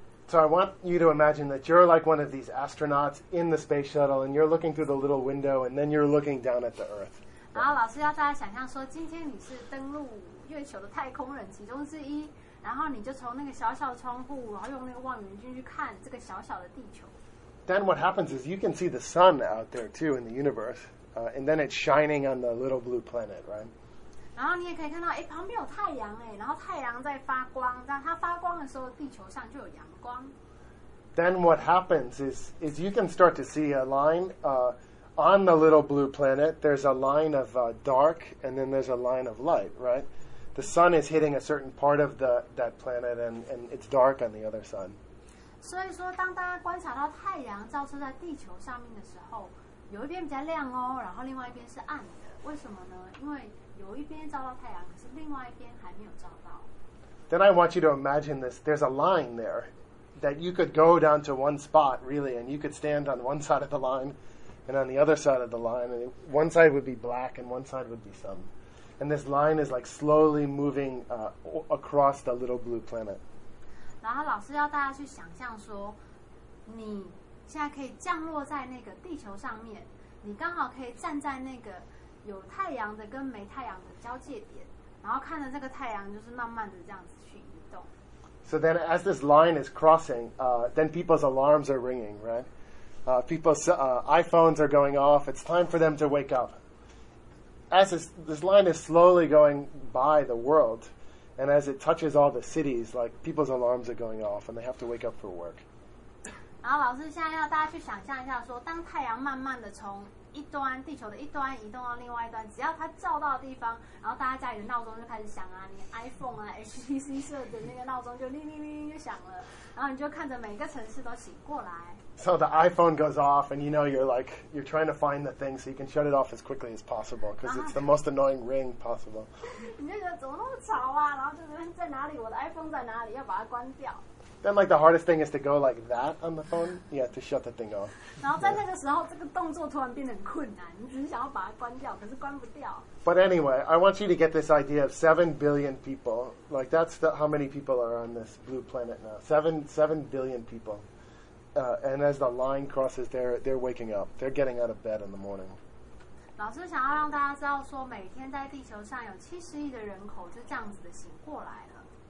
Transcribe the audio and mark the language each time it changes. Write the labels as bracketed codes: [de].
[en] So I want you to imagine that you're like one of these astronauts in the space shuttle and you're looking through the little window and then you're looking down at the Earth. [zh] 然后老师要大家想象说今天你是登陆月球的太空人其中之一，然后你就从那个小小的窗户，然后用那个望远镜去看这个小小的地球。 [en] Then what happens is you can see the sun out there too in the universe, and then it's shining on the little blue planet, right? [zh] 然后你也可以看到，哎，旁边有太阳，哎，然后太阳在发光，当它发光的时候，地球上就有阳光。 [en] Then what happens is you can start to see a line, on the little blue planet. There's a line of dark, and then there's a line of light, right? The sun is hitting a certain part of that planet, and it's dark on the other side. [zh] 所以说，当大家观察到太阳照射在地球上面的时候，有一边比较亮哦，然后另外一边是暗的，为什么呢？因为有一边照到太阳，可是另外一边还没有照到。 [en] Then I want you to imagine this. There's a line there that you could go down to one spot, really, and you could stand on one side of the line and on the other side of the line, and one side would be black and one side would be sun. And this line is like slowly moving across the little blue planet. [zh] 然后老师要大家去想象说，你现在可以降落在那个地球上面，你刚好可以站在那个有太阳的跟没太阳的交界点，然后看着这个太阳就是慢慢的这样子去移动。 [en] So then, as this line is crossing, then people's alarms are ringing, right? People's iPhones are going off. It's time for them to wake up. As this line is slowly going by the world, and as it touches all the cities, like people's alarms are going off, and they have to wake up for work. [zh] 然后老师现在要大家去想象一下说，当太阳慢慢的从一端地球的一端移动到另外一端，只要它照到的地方，然后大家家里的闹钟就开始响啊，你 iPhone 啊 HTC 设的那个闹钟就铃铃铃就响了，然后你就看着每个城市都醒过来。 [en] So the iPhone goes off, and you know you're like you're trying to find the thing so you can shut it off as quickly as possible because it's the most annoying ring possible. [zh] 你就觉得怎么那么吵啊？然后就这边在哪里？我的 iPhone 在哪里？要把它关掉。 [en] Then, like, the hardest thing is to go like that on the phone, yeah, to shut the thing off. [zh] 然后在那个时候，这个动作突然变得很困难，你只是想要把它关掉，可是关不掉。 [en] But anyway, I want you to get this idea of 7 billion people. Like, that's how many people are on this blue planet now. Seven billion people. And as the line crosses, they're waking up. They're getting out of bed in the morning. [zh] 老师想要让大家知道说，每天在地球上有70亿的人口就这样子的醒过来了。